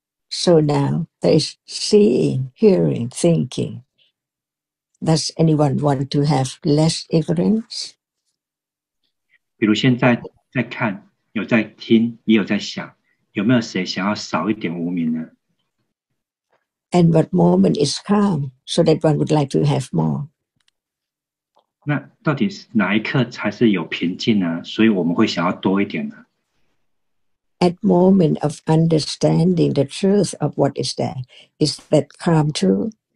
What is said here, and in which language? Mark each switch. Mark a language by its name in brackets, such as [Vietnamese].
[English] So now, there is seeing, hearing, thinking. Does anyone want to have less ignorance? [Chinese] 比如现在在看，有在听，也有在想，有没有谁想要少一点无明呢？ [English] And what moment is calm, so that one would like to have more? [Chinese] 那到底哪一刻才是有平静呢？所以我们会想要多一点呢？ [English] At moment of understanding the truth of what is there, is that calm true?